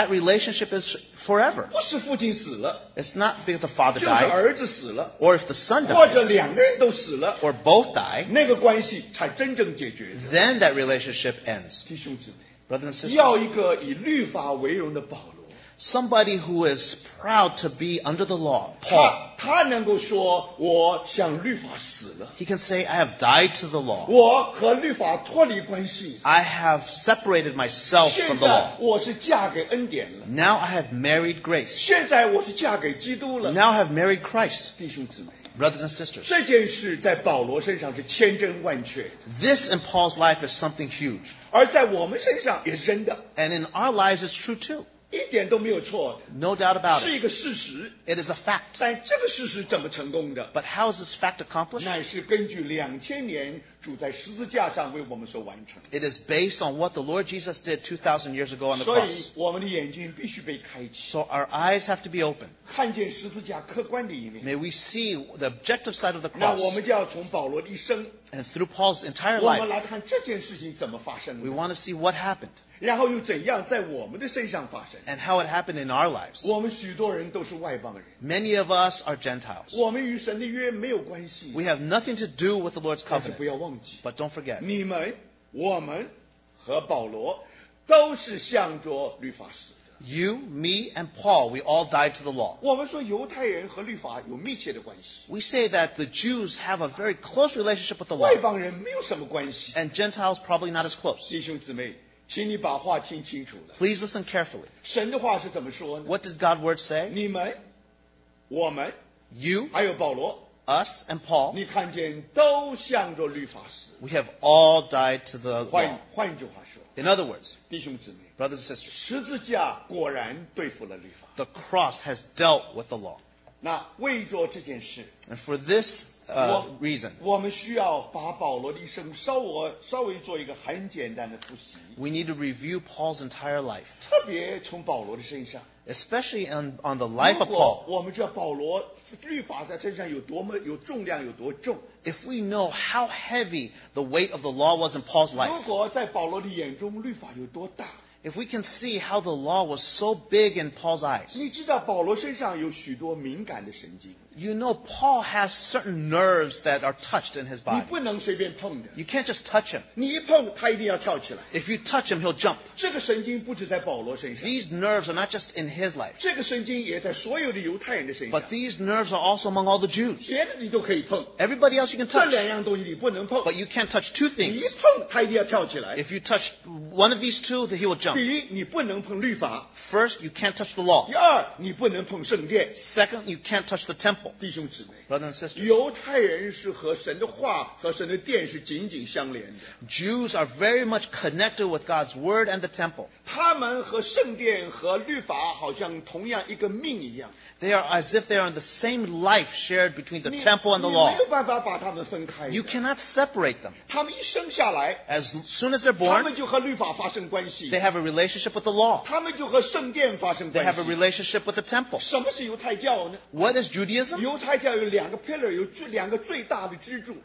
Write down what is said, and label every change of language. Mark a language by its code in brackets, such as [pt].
[en] That relationship is forever. [zh] 不是父亲死了。 [en] It's not because the father died. [zh] 就是儿子死了。 [en] Or if the son dies. [zh] 或者两个人都死了。 [en] Or both die. [zh] 那个关系才真正解决的。 [en] Then that relationship ends. [zh] 弟兄姊妹。 [en] Brothers and sisters. [zh] 要一个以律法为荣的保罗。 [en] Somebody who is proud to be under the law, Paul. [zh] 他能够说我向律法死了。 [en] He can say, I have died to the law. [zh] 我和律法脱离关系。 [en] I have separated myself from the law. [zh] 现在我是嫁给恩典了。 [en] Now I have married grace. [zh] 现在我是嫁给基督了。 [en] Now I have married Christ. [zh] 弟兄姊妹。 [en] Brothers and sisters. [zh] 这件事在保罗身上是千真万确。 [en] This in Paul's life is something huge. [zh] 而在我们身上也是真的。 [en] And in our lives it's true too. [zh] 一点都没有错的。 [en] No doubt about it. [zh] 是一个事实。 [en] It is a fact. [zh] 但这个事实怎么成功的? [en] But how is this fact accomplished? [zh] 乃是根据两千年主在十字架上为我们所完成。 [en] It is based on what the Lord Jesus did 2,000 years ago on the cross. [zh] 所以我们的眼睛必须被开启。 [en] So our eyes have to be open. [zh] 看见十字架客观的一面。 [en] May we see the objective side of the cross. [zh] 那我们就要从保罗的一生。 [en] And through Paul's entire life. [zh] 我们来看这件事情怎么发生的。 [en] We want to see what happened. [zh] 然后又怎样在我们的身上发生 [en] ？And how it happened in our lives? [zh] 我们许多人都是外邦人。 [en] Many of us are Gentiles. [zh] 我们与神的约没有关系。 [en] We have nothing to do with the Lord's covenant. [zh] 但是不要忘记。 [en] But don't forget. [zh] 你们、我们和保罗都是向着律法死的。 [en] You, me, and Paul, we all died to the law. We say that the Jews have a very close relationship with the law. [zh] 外邦人没有什么关系。 [en] And Gentiles probably not as close. [zh] 弟兄姊妹，请你把话听清楚了。 [en] Please listen carefully. [zh] 神的话是怎么说呢？ [en] What does God's word say? [zh] 你们，我们， [en] you, [zh] 还有保罗。 [en] Us and Paul, [zh] 你看见都向着律法死。 [en] We have all died to the law. [zh] 换句话说， [en] In other words, [zh] 弟兄姊妹， [en] brothers and sisters, [zh] 十字架果然对付了律法。 [en] The cross has dealt with the law. [zh] 那为着这件事， [en] and for this reason, [zh] 我们需要把保罗的一生稍微做一个很简单的复习。 [en] We need to review Paul's entire life. [zh] 特别从保罗的身上。 [en] Especially on the life of Paul. [zh] 我们知道保罗律法在身上有多么有重量有多重。 [en] If we know how heavy the weight of the law was in Paul's life. [zh] 如果在保罗的眼中律法有多大。 [en] If we can see how the law was so big in Paul's eyes. [zh] 你知道保罗身上有许多敏感的神经。 [en] You know Paul has certain nerves that are touched in his body. [zh] 你不能随便碰的。 [en] You can't just touch him. [zh] 你一碰他一定要跳起来。 [en] If you touch him, he'll jump. [zh] 这个神经不只在保罗身上。 [en] These nerves are not just in his life. [zh] 这个神经也在所有的犹太人的身上。 [en] But these nerves are also among all the Jews. [zh] 别的你都可以碰。 [en] Everybody else you can touch. [zh] 这两样东西你不能碰。 [en] But you can't touch two things. [zh] 你一碰他一定要跳起来。 [en] If you touch one of these two, then he will jump. [zh] 第一，你不能碰律法。 [en] First, you can't touch the law. [zh] 第二，你不能碰圣殿。 [en] Second, you can't touch the temple. [zh] 弟兄姊妹 [en] Brothers and sisters, [zh] 犹太人是和神的话和神的殿是紧紧相连的。 [en] Jews are very much connected with God's word and the temple. [zh] 他们和圣殿和律法好像同样一个命一样。 [en] They are as if they are in the same life shared between the temple and the law. [zh] 你没有办法把他们分开的。 [en] You cannot separate them. [zh] 他们一生下来 [en] as soon as they're born, [zh] 他们就和律法发生关系。 [en] They have a relationship with the law. [zh] 他们就和圣殿发生关系。 [en] They have a relationship with the temple. [zh] 什么是犹太教呢？ [en] What is Judaism? [zh] 犹太教有两个 pillar， 有两个最大的支柱。